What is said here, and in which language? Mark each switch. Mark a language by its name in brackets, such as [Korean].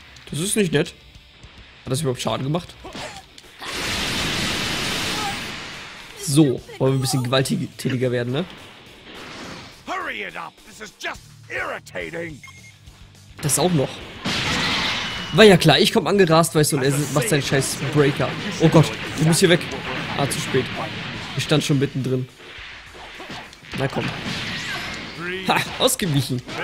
[German] Das ist nicht nett. Hat das überhaupt Schaden gemacht? So, wollen wir ein bisschen gewalttätiger werden, ne? [English] Hurry it up! This is just irritating! [German] Das auch noch. War ja klar, ich komme angerast, weißt du, und er macht seinen scheiß Breaker. Oh Gott, du musst hier weg. Ah, zu spät. Ich stand schon mittendrin. Na komm. Ha, ausgewichen.